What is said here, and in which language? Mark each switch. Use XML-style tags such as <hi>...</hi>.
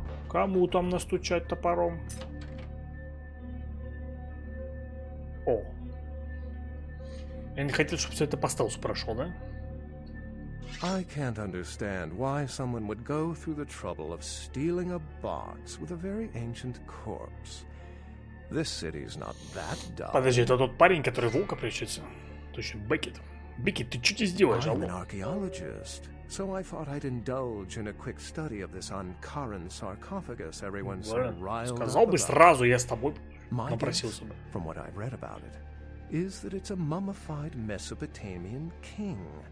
<ru>Кому там настучать топором? О! Я не хотел, чтобы все это по стелсу прошло, да?</ru> <en>I can't understand why someone would go through the trouble of stealing a box with a very ancient corpse. This city's not that dumb.</en> <ru>Подожди, это тот парень, который волка прячется. Точно, Бекет. Бекет, ты что здесь делаешь?</ru> <en>I'm an archaeologist. So I thought I'd indulge in a quick study of this Ankaran sarcophagus everyone so riled up about.</en> <ru>Сразу я с тобой попросился бы.</ru> <en>From what I've read about it, is that it's a mummified Mesopotamian king.</en>